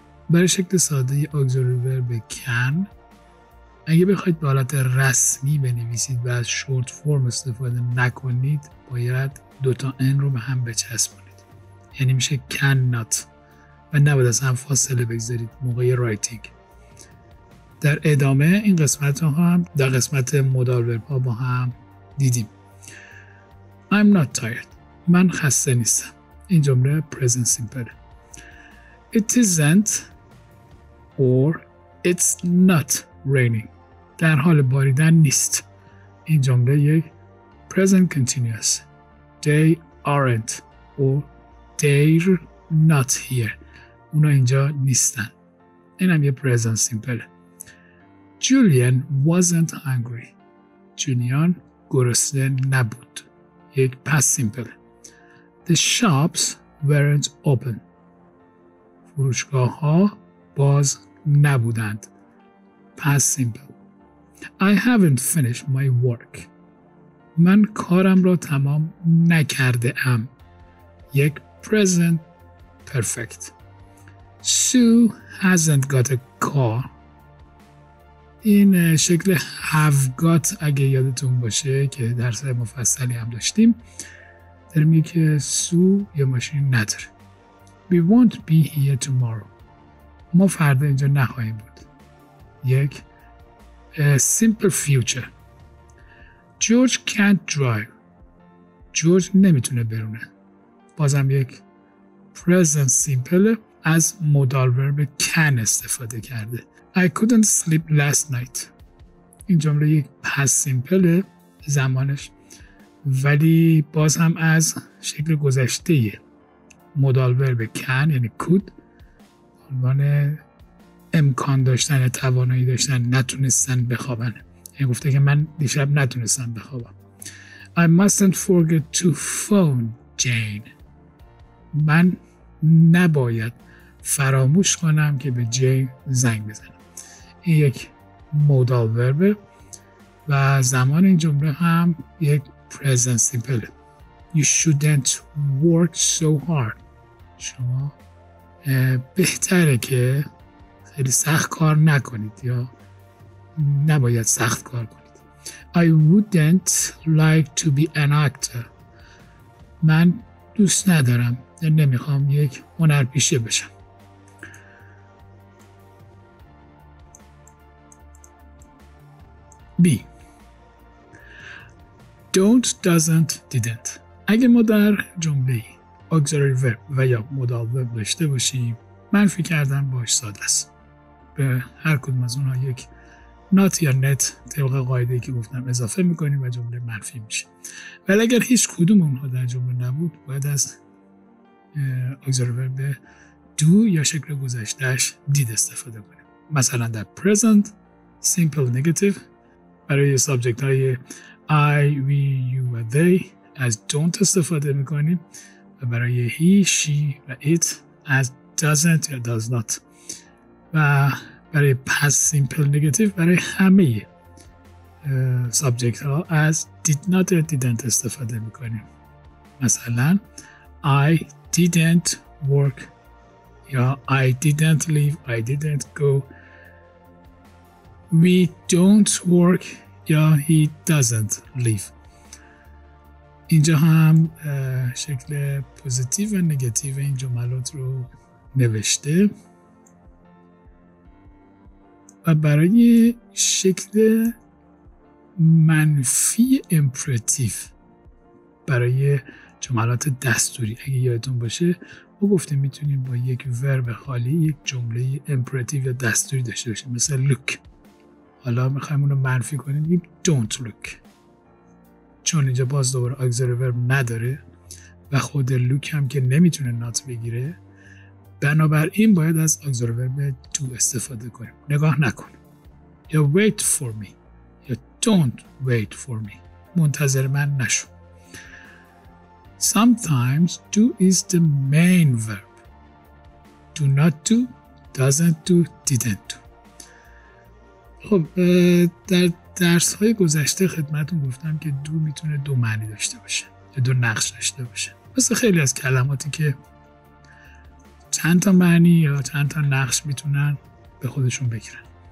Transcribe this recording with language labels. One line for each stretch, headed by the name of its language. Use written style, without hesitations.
Persian: برای شکل ساده ی auxiliary verb can اگه بخواید به حالت رسمی بنویسید و از short form استفاده نکنید باید دوتا n رو به هم بچسبونید، یعنی میشه cannot و نباید از هم فاصله بگذارید موقع writing. در ادامه این قسمت رو هم در قسمت modal verb ها با هم دیدیم.
English: I'm not tired.
Persian: من خسته نیستم. این جمله present simple.
English: It isn't or it's not raining.
Persian: در حال باریدن نیست. این جمله یک present continuous.
English: They aren't or they're not here.
Persian: اونا اینجا نیستن. این هم یه present simple.
English: Julian wasn't hungry.
Persian: جولیان گرسنه نبود. یک past simple.
English: The shops weren't open.
Persian: فروشگاه ها باز نبودند.
English: Past simple. I haven't finished my work.
Persian: من کارم را تمام نکرده ام. یک present perfect.
English: Sue hasn't got a car.
Persian: این شکل have got اگه یادتون باشه که درس مفصلی هم داشتیم در میگه که سو یه ماشین نداره.
English: We won't be here tomorrow.
Persian: ما فردا اینجا نخواهیم بود. یک simple future.
English: George can't drive.
Persian: George نمیتونه برونه. بازم یک present simple از modal verb can استفاده کرده.
English: I couldn't sleep last night.
Persian: این جمله یک past simple زمانش، ولی باز هم از شکل گذشته modal verb can یعنی could عنوان امکان داشتن، توانایی داشتن، نتونستن بخوابن. یعنی گفته که من دیشب نتونستم بخوابم.
English: I mustn't forget to phone Jane.
Persian: من نباید فراموش کنم که به جین زنگ بزنم. این یک modal verb و زمان این جمله هم یک present simple.
English: You shouldn't work so hard.
Persian: شما بهتره که خیلی سخت کار نکنید یا نباید سخت کار کنید.
English: I wouldn't like to be an actor.
Persian: من دوست ندارم، نمیخوام یک هنرپیشه بشم.
English: B. Don't, doesn't, didn't.
Persian: اگه ما در جمله auxiliary verb و یا modal verb داشته باشیم منفی کردن باش ساده است. به هر کدوم از اونها یک not یا net طبق قاعده‌ای که گفتم اضافه میکنیم و جمله منفی میشه. ولی اگر هیچ کدوم اونها در جمله نبود باید از auxiliary verb do یا شکل گذشتهش did استفاده کنیم. مثلا در present simple negative برای سابجکت های I, we, you و they از don't استفاده میکنیم و برای he, she و it
English: as doesn't یا does not.
Persian: و برای past simple negative برای همه subject ها as did not یا didn't استفاده میکنیم.
English: مثلا I didn't work یا I didn't leave, I didn't go. We don't work یا he doesn't leave.
Persian: اینجا هم شکل پوزیتیو و نگاتیو این جملات رو نوشته و برای شکل منفی امپراتیو برای جملات دستوری اگه یادتون باشه ما گفتیم میتونیم با یک ورب خالی یک جمله امپراتیو یا دستوری داشته باشیم مثل look. حالا میخواییم اون رو منفی کنیم میگیم
English: don't look.
Persian: چون اینجا باز دوباره auxiliary verb نداره و خود look هم که نمیتونه not بگیره بنابراین باید از auxiliary verb to استفاده کنیم. نگاه نکن یا
English: wait for me
Persian: یا
English: don't wait for me
Persian: منتظر من نشو.
English: Sometimes do is the main verb. Do not do, doesn't do, didn't do.
Persian: خب در درس های گذشته خدمتون گفتم که دو میتونه دو معنی داشته باشه یا دو نقش داشته باشه مثل خیلی از کلماتی که چند تا معنی یا چند تا نقش میتونن به خودشون بگیرن.